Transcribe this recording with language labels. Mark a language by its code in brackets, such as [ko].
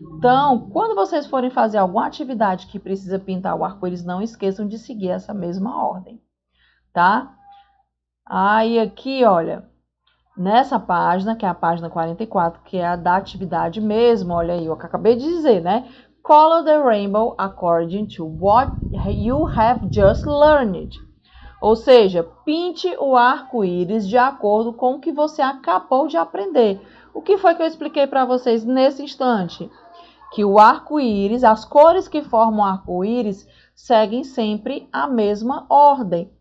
[pt] Então, quando vocês forem fazer alguma atividade que precisa pintar o arco-íris, não esqueçam de seguir essa mesma ordem, tá? Aí aqui, olha, nessa página, que é a página 44, que é a da atividade mesmo, olha aí, eu acabei de dizer, né? [en] Color the rainbow according to what you have just learned. [pt] Ou seja, pinte o arco-íris de acordo com o que você acabou de aprender. O que foi que eu expliquei para vocês nesse instante? Que o arco-íris, as cores que formam o arco-íris, seguem sempre a mesma ordem.